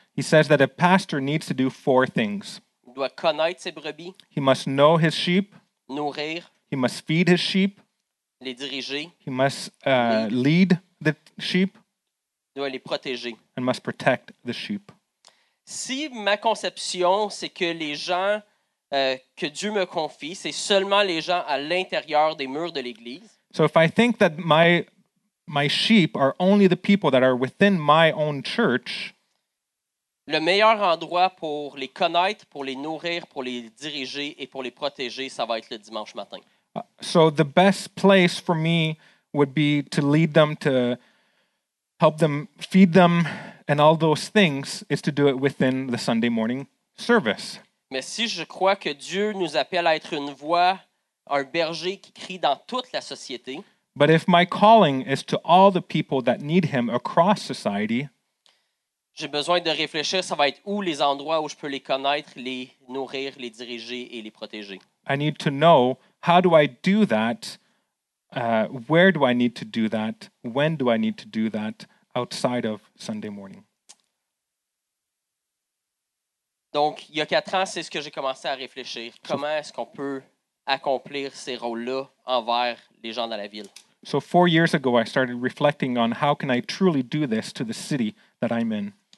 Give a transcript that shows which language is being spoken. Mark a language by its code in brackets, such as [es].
[en] He says that a pastor needs to do 4 things. [fr] Il doit connaître ses brebis. [en] He must know his sheep. [fr] Nourrir. [en] He must feed his sheep. [fr] Les diriger. [en] He must lead the sheep. [fr] Il doit les protéger. [en] And must protect the sheep. [fr] Si ma conception, c'est que les gens que Dieu me confie, c'est seulement les gens à l'intérieur des murs de l'église. [en] So if I think that my sheep are only the people that are within my own church, [fr] le meilleur endroit pour les connaître, pour les nourrir, pour les diriger et pour les protéger, ça va être le dimanche matin. [en] So the best place for me would be to lead them, to help them, feed them, and all those things is to do it within the Sunday morning service. [fr] Mais si je crois que Dieu nous appelle à être une voix, un berger qui crie dans toute la société, [en] but if my calling is to all the people that need him across society, [fr] j'ai besoin de réfléchir, ça va être où les endroits où je peux les connaître, les nourrir, les diriger et les protéger. [en] I need to know, how do I do that? Where do I need to do that? When do I need to do that outside of Sunday morning? [fr] Donc, il y a 4 ans, c'est ce que j'ai commencé à réfléchir. Comment est-ce qu'on peut accomplir ces rôles-là envers les gens dans la ville? [en] So 4 years ago, I started reflecting on how can I truly do this to the city that I'm in.